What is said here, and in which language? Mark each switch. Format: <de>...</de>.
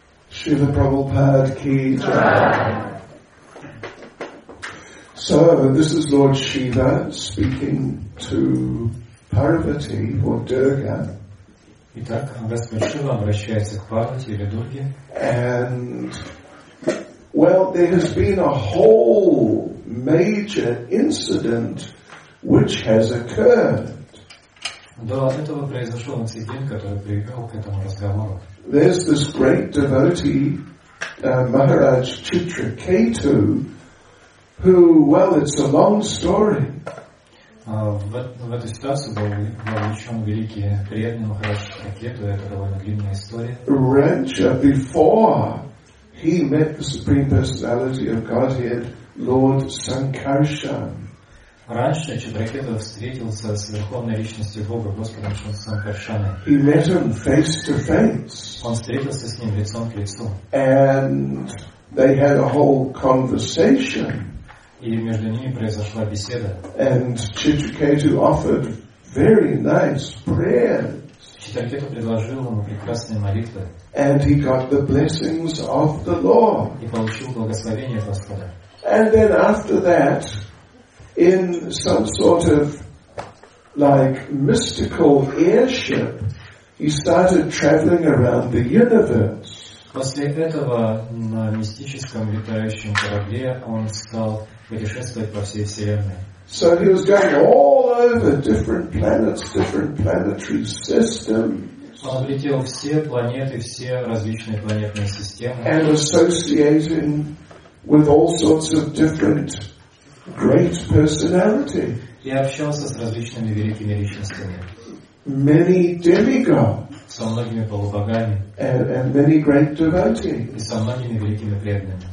<en>Шрила Прабхупад ки So, this is Lord Shiva speaking to Parvati or Durga.</en> <ru>Итак, Господь Шива обращается к Парвати или Дурге.</ru> <en>And, well, there has been a whole major incident which has occurred.</en> <ru>Да, от этого произошел инцидент, который привел к этому разговору.</ru> <en>There's this great devotee, Maharaj Chitraketu, who, well, it's a long story.</en> <ru>В этой ситуации был учен великий преданный Махарадж Читракету, это довольно длинная история. Раньше,</ru> <en>before he met the Supreme Personality of Godhead, Lord Sankarshan.</en> <ru>Раньше Читракету встретился с Верховной Личностью Бога, Господом Санкаршаной.</ru> <en>He met him face to face.</en> <ru>Он встретился с ним лицом к лицу.</ru> <en>And they had a whole conversation.</en> <ru>И между ними произошла беседа.</ru> <en>And Chitraketu offered very nice prayers.</en> <ru>Chitraketu предложил ему прекрасные молитвы.</ru> <en>And he got the blessings of the Lord.</en> <ru>И получил благословение Господа.</ru> <en>And then after that, in some sort of like mystical airship, he started traveling around the universe.</en> <ru>После этого на мистическом летающем корабле он стал путешествовать по всей Вселенной.</ru> <en>So he was going all over different planets, different planetary systems.</en> <ru>Он облетел все планеты, все различные планетные системы.</ru> <en>And associating with all sorts of different great personalities.</en> <ru>И общался с различными великими личностями.</ru> <en>Many demigods.</en> <ru>Со многими полубогами.</ru> <en>And many great devotees.</en> <ru>И со многими великими преданными.</ru>